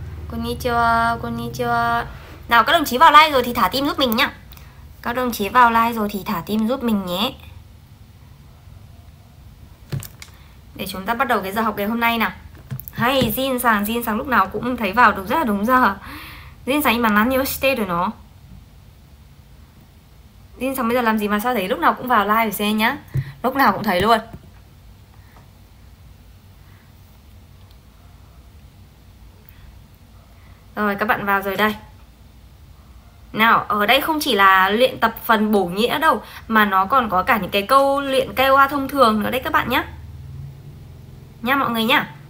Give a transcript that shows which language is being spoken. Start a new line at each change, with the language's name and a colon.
Japanese: Konnichiwa.
Vietnamese: Nào các đồng chí vào like rồi thì thả tim giúp mình nhá. Các đồng chí vào like rồi thì thả tim giúp mình nhé. Để chúng ta bắt đầu cái giờ học ngày hôm nay nào. Hay, Jin-san lúc nào cũng thấy vào đúng rất là đúng giờ.
Japanese: Jin-san 今 何をしてるの?
Vietnamese: Jin-san bây giờ làm gì mà sao thấy lúc nào cũng vào live xem nhá. Lúc nào cũng thấy luôn. Rồi, các bạn vào rồi đây. Nào, ở đây không chỉ là luyện tập phần bổ nghĩa đâu, mà nó còn có cả những cái câu luyện kêu thông thường nữa đấy các bạn nhá. Nha mọi người nhá.